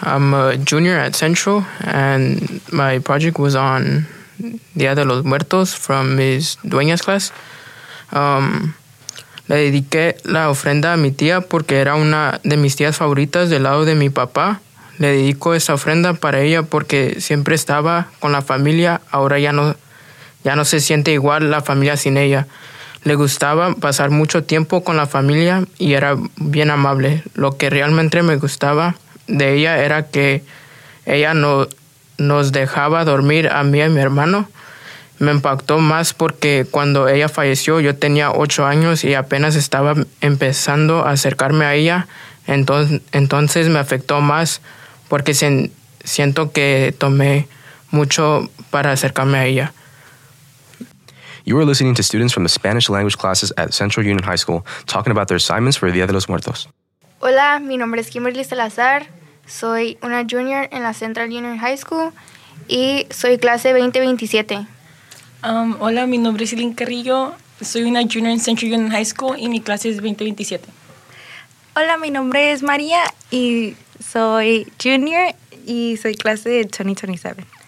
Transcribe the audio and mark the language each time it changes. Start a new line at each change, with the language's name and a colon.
English: I'm a junior at Central, and my project was on Día de los Muertos from Ms. Dueña's class.
Spanish: Le dediqué la ofrenda a mi tía porque era una de mis tías favoritas del lado de mi papá. Le dedico esa ofrenda para ella porque siempre estaba con la familia. Ahora ya no se siente igual la familia sin ella. Le gustaba pasar mucho tiempo con la familia y era bien amable. Lo que realmente me gustaba de ella era que ella nos dejaba dormir a mí y a mi hermano. Me impactó más porque cuando ella falleció yo tenía 8 años y apenas estaba empezando a acercarme a ella. Entonces me afectó más porque siento que tomé mucho para acercarme a ella.
English: You are listening to students from the Spanish language classes at Central Union High School talking about their assignments for Día de los Muertos.
Spanish: Hola, mi nombre es Kimberly Salazar. Soy una junior en la Central Union High School y soy clase 2027. Hola, mi nombre es Lynn Carrillo. Soy una junior en Central Union High School y mi clase es 2027. Hola, mi nombre es María y soy junior y soy clase de 2027.